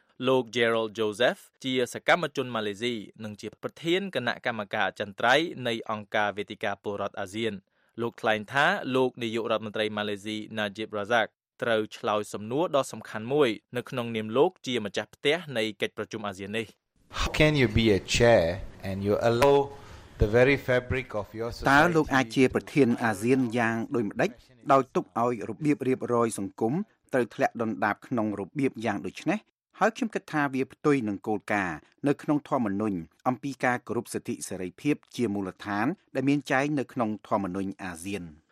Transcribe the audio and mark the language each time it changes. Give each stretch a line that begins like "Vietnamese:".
Khmer: លោក Gerald Joseph ជាសកម្មជនម៉ាឡេស៊ីនិងជាប្រធានគណៈកម្មការចន្ទ្រៃនៃអង្គការវេទិកាពលរដ្ឋអាស៊ានលោកថ្លែងថាលោកនាយករដ្ឋមន្ត្រីម៉ាឡេស៊ី Najib Razak ត្រូវឆ្លើយសំណួរដ៏សំខាន់មួយនៅក្នុងនាមលោកជាម្ចាស់ផ្ទះនៃកិច្ចប្រជុំអាស៊ាននេះ
English: How can you be a chair and you allow the very fabric of your society
Khmer: តើលោកអាចជាប្រធានអាស៊ានយ៉ាងដូចម្ដេចដោយទុកឲ្យរបៀបរៀបរយសង្គមត្រូវធ្លាក់ដណ្ដាបក្នុងរបៀបយ៉ាងដូចនេះហើយខ្ញុំគិតថាវាផ្ទុយនឹងគោលការណ៍នៅក្នុងធម្មនុញ្ញអំពីការគោរពសិទ្ធិសេរីភាពជាមូលដ្ឋានដែលមានចែងនៅក្នុងធម្មនុញ្ញអាស៊ាន